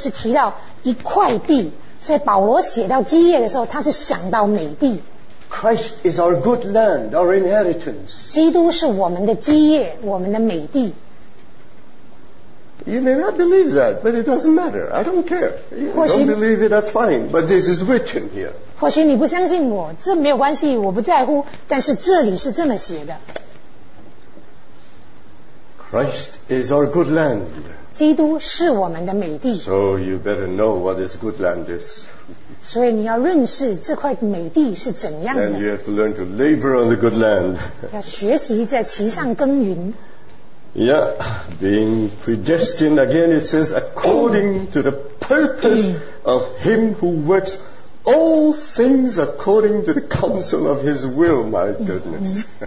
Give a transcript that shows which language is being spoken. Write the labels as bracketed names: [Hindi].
[Chinese] 基业在希腊文里面也是提到一块地, 所以保罗写到基业的时候,他是想到美地。 [English] Christ is our good land, our inheritance. [Chinese] 基督是我们的基业,我们的美地。 [English] You may not believe that, but it doesn't matter. I don't care. You [Chinese] 或许, [English] don't believe it, that's fine. But this is written here. [Chinese] 或许你不相信我, 这没有关系, 我不在乎, 但是这里是这么写的。 [English] Christ is our good land. [Chinese] 基督是我们的美地。 [English] So you better know what this good land is. [Chinese] 所以你要认识这块美地是怎样的。 [English] And you have to learn to labor on the good land. [Chinese] 要学习在其上耕耘。 [English] Yeah, being predestined, again it says, according to the purpose of Him who works all things according to the counsel of His will, my goodness.